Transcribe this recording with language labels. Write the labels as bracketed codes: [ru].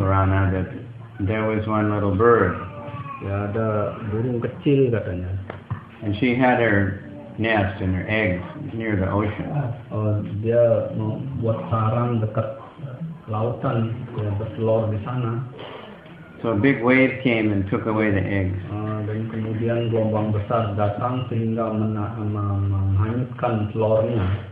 [en] Purana, that there was one little bird. [id] Ya, ada burung kecil katanya. [en] And she had her nest and her eggs near the ocean. [id] Dia membuat sarang dekat lautan, bertelur di sana. [en] So a big wave came and took away the eggs. [id] Dan kemudian gelombang besar datang sehingga menghanyutkan telurnya.